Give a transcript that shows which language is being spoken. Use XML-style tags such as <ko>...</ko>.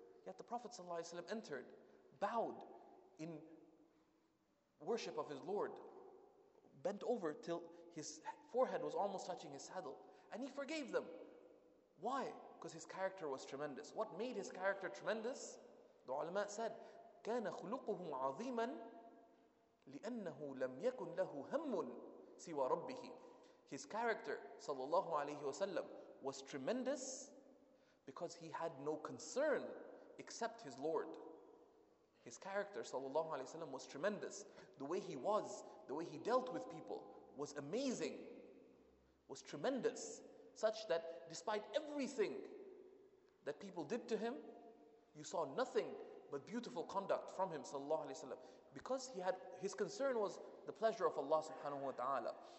<en>Yet the Prophet ﷺ entered, bowed in worship of his Lord, bent over till his forehead was almost touching his saddle, and he forgave them. Why? Because his character was tremendous. What made his character tremendous? The ulama said,</en> <ar>كان خلقه عظيما لأنه لم يكن له هم سوى ربه.</ar> <en>His character, sallallahu alayhi wasallam, was tremendous because he had no concern except his Lord. His character, sallallahu alayhi wasallam, was tremendous. The way he was, the way he dealt with people, was amazing, was tremendous, such that despite everything that people did to him, you saw nothing but beautiful conduct from him, sallallahu alayhi wasallam, because he had, his concern was the pleasure of Allah subhanahu wa ta'ala.</en>